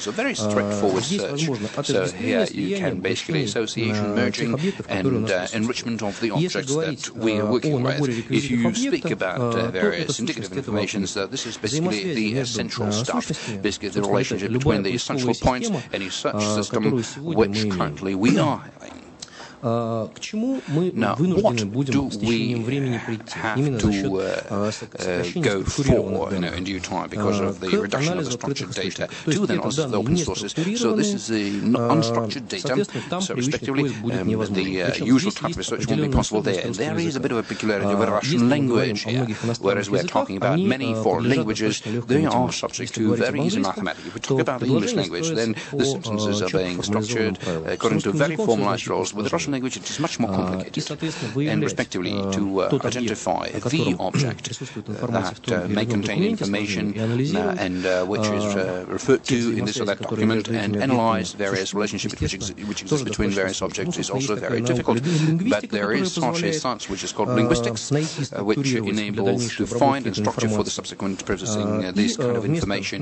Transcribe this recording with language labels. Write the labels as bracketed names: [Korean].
[English] So, very straightforward search. So, here you can basically association merging and enrichment of the objects that we are working with. If you speak about various indicative information, so this is basically the essential stuff, basically the relationship between the essential points, any such system which currently we are having. [Russian] К чему мы вынуждены будем с течением времени прийти именно за счет структурированных данных, к анализу открытых источников. То есть это данные не структурированные, соответственно, там прямой поиск будет невозможен. Причем здесь есть определенные особенности иностранных языков, а если мы говорим о многих иностранных языках, они очень легко, если мы говорим о английском, то предложение строится по очень формальным правилам. [English] translation language, it is much more complicated. And respectively, to identify the object that may contain information and which is referred to in this or that document and analyze various relationships which exist between various objects is also very difficult. But there is such a science which is called linguistics, which enables to find and structure for the subsequent processing this kind of information.